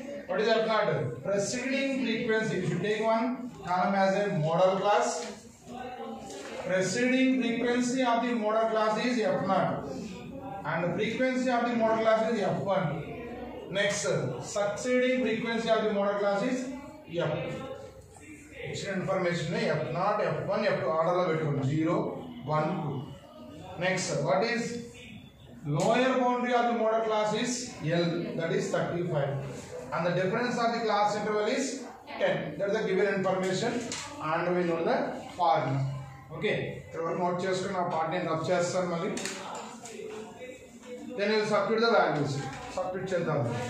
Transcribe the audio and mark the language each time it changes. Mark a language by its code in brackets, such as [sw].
[en] What is F0 preceding frequency you should take one column as a model class Preceding frequency of the model class is F0 and frequency of the model class is F1. Next, succeeding frequency of the model class is F2. Extra information F0, F1, F2, order of it 0, 1, 2. Next, what is lower boundary of the model class is L, that is 35, and the difference of the class interval is 10. That is the given information, and we know the formula. [te] Okay ఎవరు note చేసుకుని ఆ part నేను rough చేస్తాను మళ్ళీ then నేను [en] submit the values [te] submit చేద్దాం